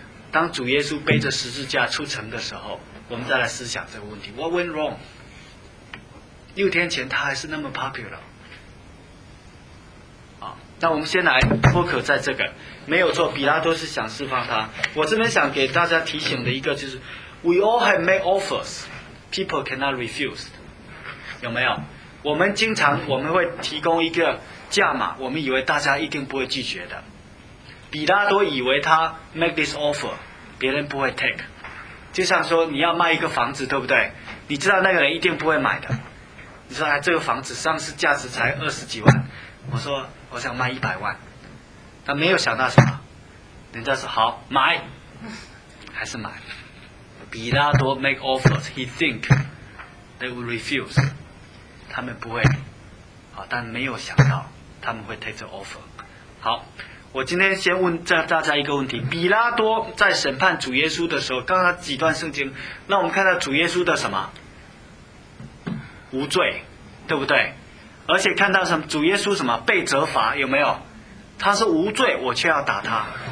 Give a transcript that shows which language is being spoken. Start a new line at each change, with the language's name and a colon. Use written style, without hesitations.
Chinese: 当主耶稣背着十字架出城的时候，我们再来思想这个问题。
English: What went wrong?
Chinese: 6天前他还是那么 popular。那我们先来 focus 在这个。没有错，比拉多是想释放他。我这边想给大家提醒的一个就是 ,
English: We all have made offers, people cannot refuse.
Chinese: 有没有？我们经常我们会提供一个价码，我们以为大家一定不会拒绝的。比拉多以为他
English: make this offer，
Chinese: 别人不会 take。就像说你要卖一个房子，对不对？你知道那个人一定不会买的。你说哎，这个房子上市价值才二十几万，我说我想卖一百万，他没有想到什么，人家说好买，还是买。比拉多
English: make offers， he think they will refuse，
Chinese: 他们不会，好，但没有想到他们会
English: take the offer。
Chinese: 好，我今天先问大家一个问题：比拉多在审判主耶稣的时候，刚刚几段圣经让我们看到主耶稣的什么无罪，对不对？而且看到什么主耶稣什么被责罚，有没有？他是无罪，我却要打他。